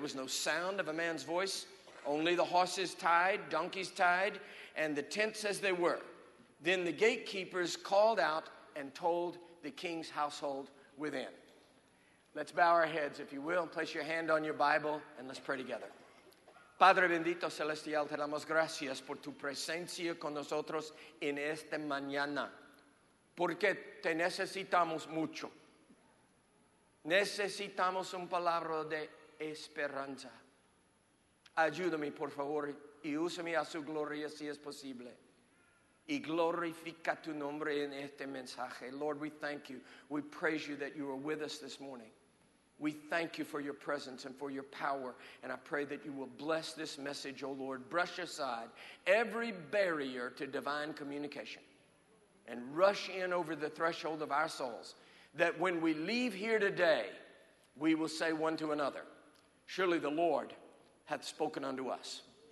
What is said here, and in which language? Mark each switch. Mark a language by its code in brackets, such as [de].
[en] There was no sound of a man's voice, only the horses tied, donkeys tied, and the tents as they were." Then the gatekeepers called out and told the king's household within. Let's bow our heads, if you will, and place your hand on your Bible, and let's pray together. [es] Padre bendito celestial, te damos gracias por tu presencia con nosotros en esta mañana. Porque te necesitamos mucho. Necesitamos un palabra de esperanza. Ayúdame, por favor, y úsame a su gloria si es posible. Y glorifica tu nombre en este mensaje. [en] Lord, we thank you. We praise you that you are with us this morning. We thank you for your presence and for your power. And I pray that you will bless this message, O Lord. Brush aside every barrier to divine communication and rush in over the threshold of our souls, that when we leave here today, we will say one to another, "Surely the Lord hath spoken unto us."